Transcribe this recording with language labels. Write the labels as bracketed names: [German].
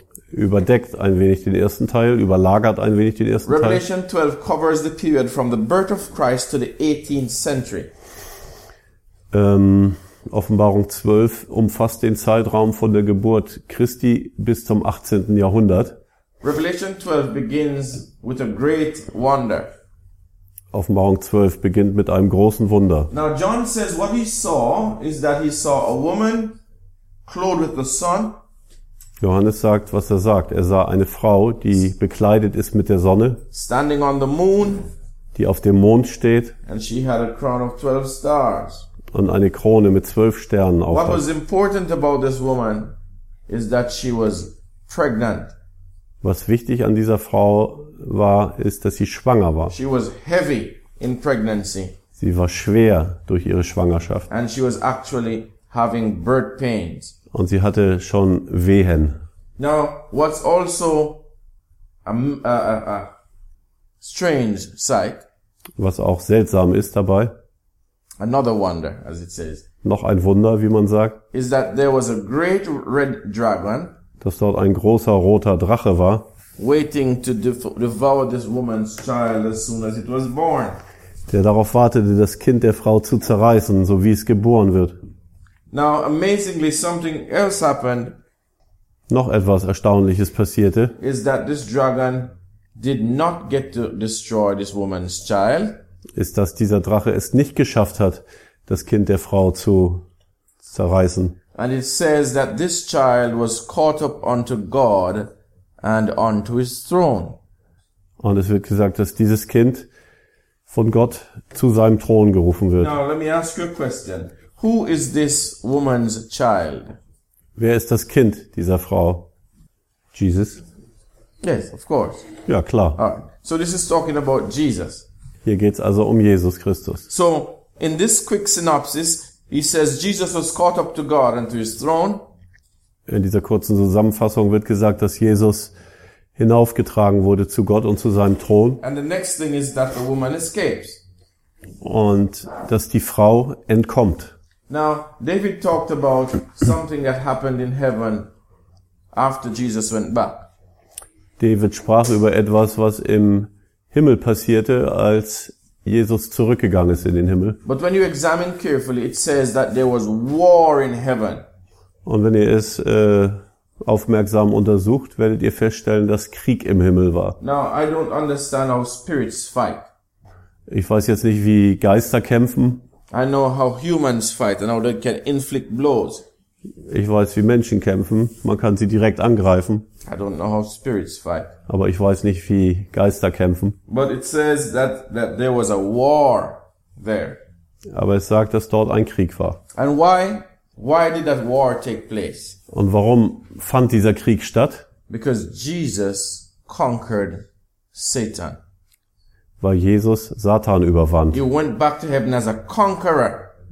[German] Überdeckt ein wenig den ersten Teil, überlagert ein wenig den ersten [English] Revelation [German] Teil. [English] Revelation 12 covers the period from the birth of Christ to the 18th century. [German] Offenbarung 12 umfasst den Zeitraum von der Geburt Christi bis zum 18. Jahrhundert. [English] Revelation 12 begins with a great wonder. [German] Offenbarung 12 beginnt mit einem großen Wunder. [English] Now John says what he saw is that he saw a woman clothed with the sun. [German] Johannes sagt, was er sagt. Er sah eine Frau, die bekleidet ist mit der Sonne. [English] Standing on the moon. [German] Die auf dem Mond steht. [English] And she had a crown of 12 stars. [German] Und eine Krone mit 12 Sternen auf. [English] What was important about this woman is that she was pregnant. [German] Was wichtig an dieser Frau war, ist, dass sie schwanger war. [English] She was heavy in pregnancy. [German] Sie war schwer durch ihre Schwangerschaft. [English] And she was actually having birth pains. [German] Und sie hatte schon Wehen. [English] Now, what's also a strange sight. [German] Was auch seltsam ist dabei. [English] Another wonder, as it says. [German] Noch ein Wunder, wie man sagt. [English] Is that there was a great red dragon. [German] Dass dort ein großer roter Drache war, [English] waiting to devour this woman's child as soon as it was born. [German] der darauf wartete, das Kind der Frau zu zerreißen, so wie es geboren wird. [English] Now, amazingly, something else happened. [German] Noch etwas Erstaunliches passierte. [English] Is that this dragon did not get to destroy this woman's child? [German] Ist, dass dieser Drache es nicht geschafft hat, das Kind der Frau zu zerreißen. [English] And it says that this child was caught up unto God and unto his throne. [German] Und es wird gesagt, dass dieses Kind von Gott zu seinem Thron gerufen wird. [English] Now let me ask you a question. Who is this woman's child? [German] Wer ist das Kind dieser Frau? Jesus? [English] Yes, of course. [German] Ja, klar. [English] All right. So this is talking about Jesus. [German] Hier geht's also um Jesus Christus. [English] So in this quick synopsis, he says Jesus was caught up to God and to his throne. [German] In dieser kurzen Zusammenfassung wird gesagt, dass Jesus hinaufgetragen wurde zu Gott und zu seinem Thron. [English] And the next thing is that the woman escapes. [German] Und dass die Frau entkommt. [English] Now, David talked about something that happened in heaven after Jesus went back. [German] David sprach über etwas, was im Himmel passierte, als Jesus zurückgegangen ist in den Himmel. [English] But when you examine carefully, it says that there was war in heaven. [German] Und wenn ihr es aufmerksam untersucht, werdet ihr feststellen, dass Krieg im Himmel war. [English] Now, I don't understand how spirits fight. [German] Ich weiß jetzt nicht, wie Geister kämpfen. [English] I know how humans fight and how they can inflict blows. [German] Ich weiß, wie Menschen kämpfen. Man kann sie direkt angreifen. [English] I don't know how spirits fight. [German] Aber ich weiß nicht, wie Geister kämpfen. [English] But it says that there was a war there. [German] Aber es sagt, dass dort ein Krieg war. [English] And why did that war take place? [German] Und warum fand dieser Krieg statt? [English] Because Jesus conquered Satan. [German] Weil Jesus Satan überwand. [English] He went back to heaven as a conqueror.